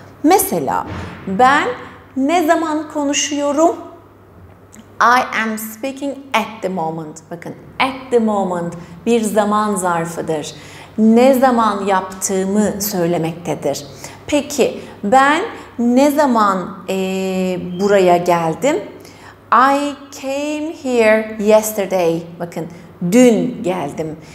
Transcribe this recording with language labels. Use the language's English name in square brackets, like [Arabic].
[Turkish] Mesela ben ne zaman konuşuyorum? [English] I am speaking at the moment. [Turkish] Bakın, [English] at the moment [Turkish] bir zaman zarfıdır. Ne zaman yaptığımı söylemektedir. Peki ben ne zaman buraya geldim? [English] I came here yesterday. [Turkish] Bakın, dün geldim.